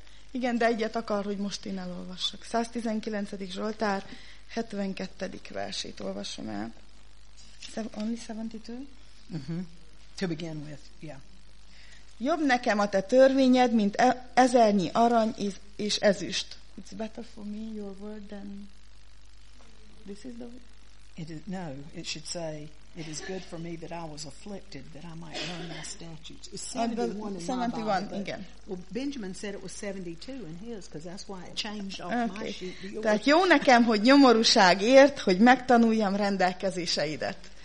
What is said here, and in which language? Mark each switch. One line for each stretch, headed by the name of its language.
Hungarian: Igen, de egyet akar, hogy most én elolvassak. 119. Zsoltár, 72. versét olvasom el.
English: Only 72? Uh-huh. To begin with, yeah.
Hungarian: Jobb nekem a te törvényed, mint ezernyi arany és ezüst.
English: It's better for me, your word, than this is the word? It is, no, it should say, it is good for me that I was afflicted, that I might learn my statutes. It's 71 in my Bible, but, well, Benjamin said it was 72 in his, because that's why it changed off okay. My sheet.
Hungarian: Tehát jó nekem, hogy nyomorúság ért, hogy megtanuljam rendelkezéseidet.